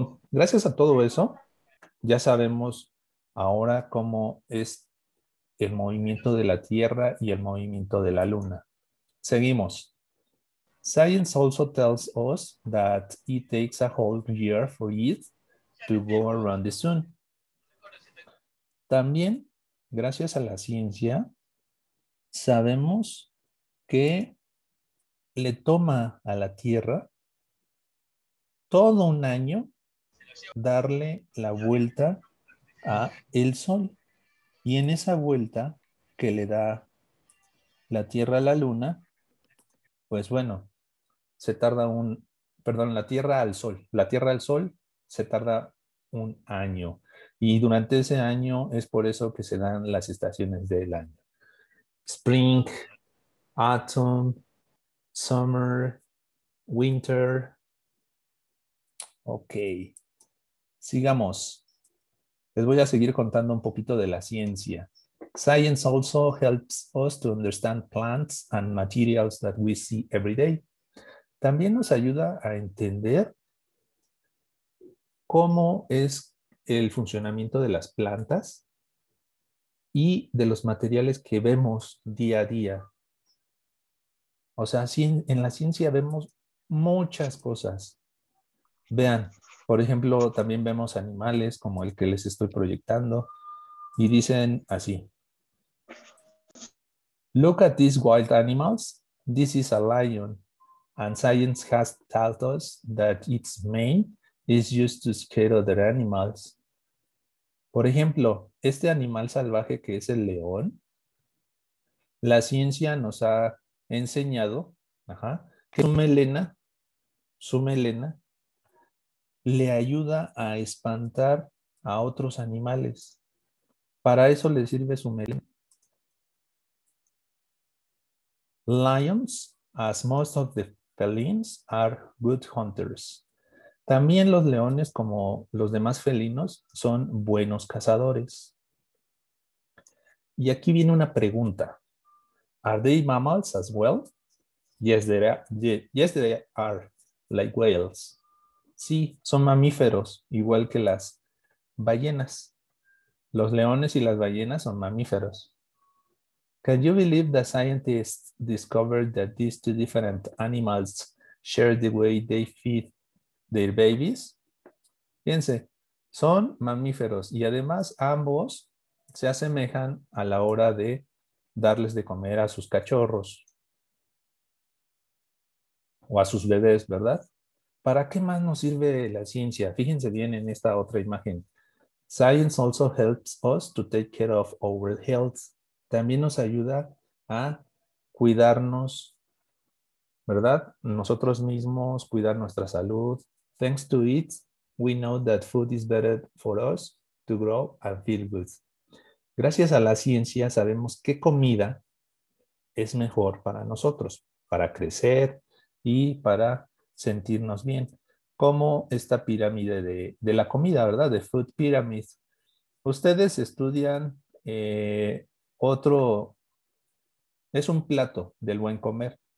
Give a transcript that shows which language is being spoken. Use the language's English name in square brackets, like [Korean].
[Spanish] Gracias a todo eso, ya sabemos ahora cómo es el movimiento de la Tierra y el movimiento de la Luna. Seguimos. [English] Science also tells us that it takes a whole year for it to go around the sun. [Spanish] También, gracias a la ciencia, sabemos que le toma a la Tierra todo un año darle la vuelta a el Sol. Y en esa vuelta que le da la Tierra a la Luna, pues bueno, se tarda la Tierra al Sol se tarda un año. Y durante ese año es por eso que se dan las estaciones del año. [English] Spring, autumn, summer, winter, Ok. [Spanish] Sigamos. Les voy a seguir contando un poquito de la ciencia. [English] Science also helps us to understand plants and materials that we see every day. [Spanish] También nos ayuda a entender cómo es el funcionamiento de las plantas y de los materiales que vemos día a día. O sea, en la ciencia vemos muchas cosas. Vean, por ejemplo, también vemos animales como el que les estoy proyectando y dicen así. [English] Look at these wild animals. This is a lion. And science has taught us that its mane is used to scare other animals. [Spanish] Por ejemplo, este animal salvaje que es el león, la ciencia nos ha enseñado, ajá, que su melena, le ayuda a espantar a otros animales. Para eso le sirve su melena. [English] Lions, as most of the felines, are good hunters. [Spanish] También los leones, como los demás felinos, son buenos cazadores. Y aquí viene una pregunta. [English] Are they mammals as well? Yes, they are, like whales. [Spanish] Sí, son mamíferos, igual que las ballenas. Los leones y las ballenas son mamíferos. [English] Can you believe that scientists discovered that these two different animals share the way they feed their babies? [Spanish] Fíjense, son mamíferos y además ambos se asemejan a la hora de darles de comer a sus cachorros o a sus bebés, ¿verdad? ¿Para qué más nos sirve la ciencia? Fíjense bien en esta otra imagen. [English] Science also helps us to take care of our health. [Spanish] También nos ayuda a cuidarnos, ¿verdad? Nosotros mismos, cuidar nuestra salud. [English] Thanks to it, we know that food is better for us to grow and feel good. [Spanish] Gracias a la ciencia sabemos qué comida es mejor para nosotros, para crecer y para sentirnos bien. Como esta pirámide de la comida, ¿verdad? De Food Pyramid. Ustedes estudian otro, es un plato del buen comer.